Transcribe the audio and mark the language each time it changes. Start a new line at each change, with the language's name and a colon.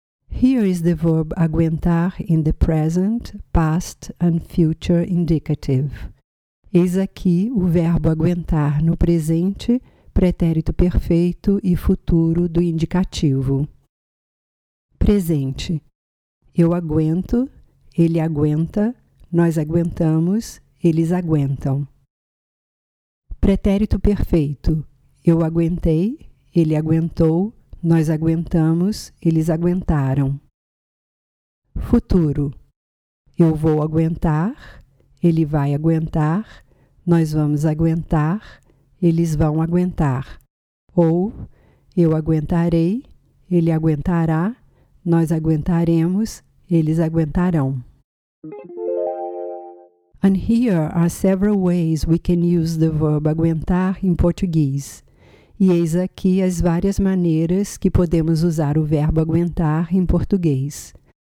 English: Here is the verb aguentar in the present, past and future indicative.
Portuguese: Eis aqui o verbo aguentar no presente, pretérito perfeito e futuro do indicativo. Presente. Eu aguento, ele aguenta, nós aguentamos, eles aguentam. Pretérito perfeito. Eu aguentei. Ele aguentou, nós aguentamos, eles aguentaram. Futuro. Eu vou aguentar, ele vai aguentar, nós vamos aguentar, eles vão aguentar. Ou, eu aguentarei, ele aguentará, nós aguentaremos, eles aguentarão.
English: And here are several ways we can use the verb aguentar in Portuguese.
Portuguese: E eis aqui as várias maneiras que podemos usar o verbo aguentar em português.